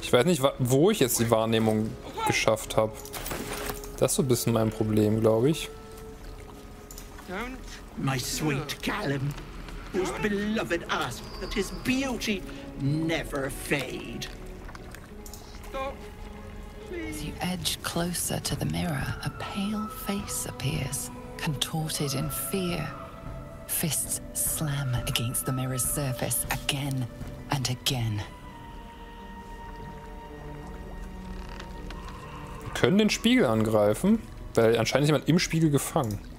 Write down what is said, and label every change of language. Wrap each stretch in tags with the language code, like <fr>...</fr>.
<de>Ich weiß nicht, wo ich jetzt die Wahrnehmung geschafft habe. Das ist so ein bisschen mein Problem, glaube ich.</de> <en>Don't. My sweet Callum. Whose beloved ass that his beauty never fade. Stop. Please. As you edge closer to the mirror, a pale face appears, contorted in fear. Fists slam against the mirror's surface again and again.</en> <de>Können den Spiegel angreifen, weil anscheinend ist jemand im Spiegel gefangen.</de>